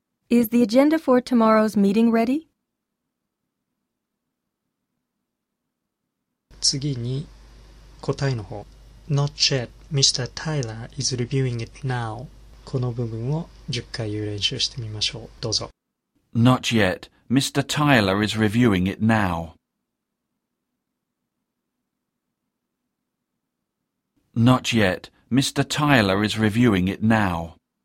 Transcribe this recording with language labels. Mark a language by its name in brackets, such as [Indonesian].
[English] Is the agenda for tomorrow's meeting ready? [Japanese] 次に答えの方。 [English] Not yet, Mr. Tyler is reviewing it now. [Japanese] この部分を10回練習してみましょう。どうぞ。 [English] Not yet, Mr. Tyler is reviewing it now. Not yet. Mr. Tyler is reviewing it now.